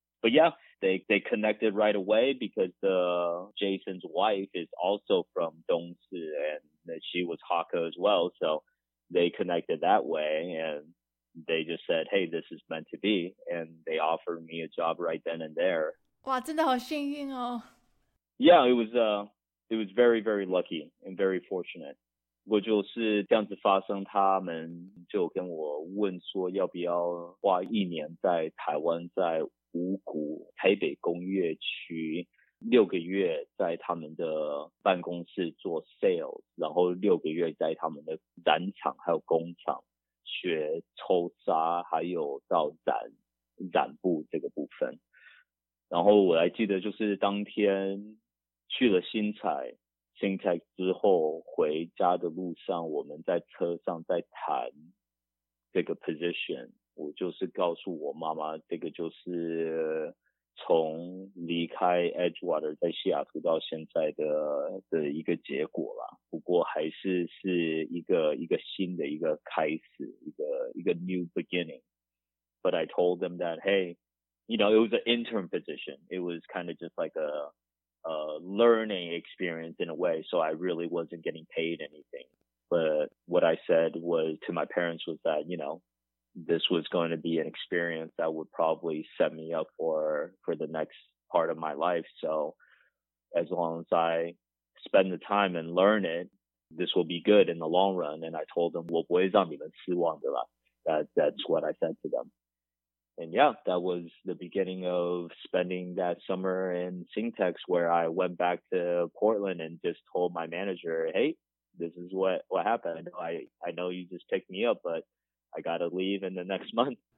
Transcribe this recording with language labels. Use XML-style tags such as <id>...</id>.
<en>But yeah, they connected right away because Jason's wife is also from Dongzi, and she was Hakka as well. So they connected that way, and they just said, hey, this is meant to be. And they offered me a job right then and there.</en> <zh>Wow, 真的好幸运哦。</zh> <en>Yeah, it was very, very lucky and very fortunate.</en> <zh>我就是这样子发生，他们就跟我问说要不要花一年在台湾，在五股台北工业区六个月，在他们的办公室做 sales， 然后六个月在他们的染厂还有工厂学抽纱，还有到染布这个部分。然后我还记得就是当天去了Syntex 之后，回家的路上我们在车上在谈这个 position， 我就是告诉我妈妈，这个就是从离开 Edgewater 在西雅图到现在的一个结果啦，不过还是一个新的一个开始，一个</zh> <en>new beginning。 But I told them that hey, you know, it was an intern position, it was kind of just like a learning experience in a way, so I really wasn't getting paid anything. But what I said was to my parents was that, you know, this was going to be an experience that would probably set me up for the next part of my life. So as long as I spend the time and learn it, this will be good in the long run. And I told them,</en> <zh>我不会让你们失望的啦.</zh> <en>That's what I said to them. And yeah, that was the beginning of spending that summer in Syntex, where I went back to Portland and just told my manager, hey, this is what happened. I know you just picked me up, but I got to leave in the next month.</en>